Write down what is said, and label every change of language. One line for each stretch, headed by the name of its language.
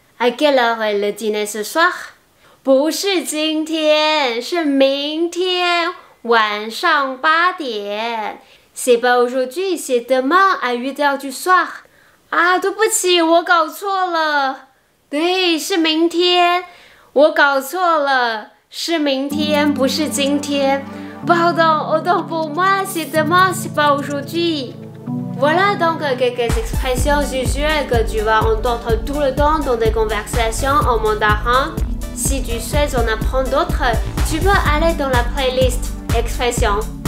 French: À quelle heure est le dîner ce soir?
Chinese: 不是今天，是明天晚上八点。
French: C'est pas aujourd'hui, c'est demain à 8h du soir.
Chinese: 啊，对不起，我搞错了。对，是明天，我搞错了，是明天，不是今天。
French: Pardon, autant pour moi, c'est demain, c'est pas aujourd'hui. Voilà donc quelques expressions usuelles que tu vas entendre tout le temps dans des conversations en mandarin. Si tu souhaites en apprendre d'autres, tu peux aller dans la playlist expressions.